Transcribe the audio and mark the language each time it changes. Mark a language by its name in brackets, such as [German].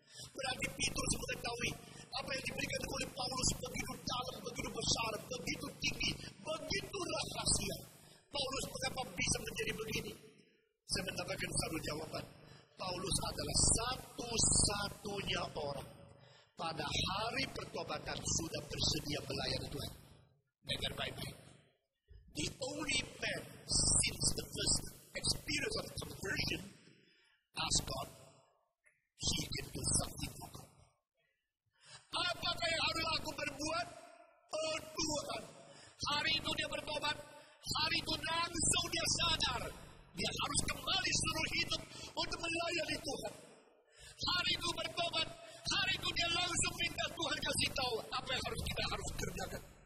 [Indonesian] Berarti Petrus mengetahui apa yang diberikan oleh Paulus begitu dalam, begitu besar, begitu tinggi, begitu rahasia. Paulus mengapa bisa menjadi begini? Saya mendapatkan satu jawaban. Paulus adalah satu-satunya orang pada hari pertobatan sudah bersedia melayani Tuhan. Dengar baik-baik. [English] The only man since the first experience of conversion asked God, he can do something for God. [Indonesian] Apakah yang harus aku berbuat? Oh Tuhan, hari itu dia bertobat, hari itu langsung dia sadar. Dia harus kembali seluruh hidup untuk melayani Tuhan. Hari itu bertobat, hari itu dia langsung minta Tuhan kasih tahu apa yang harus kita harus kerjakan.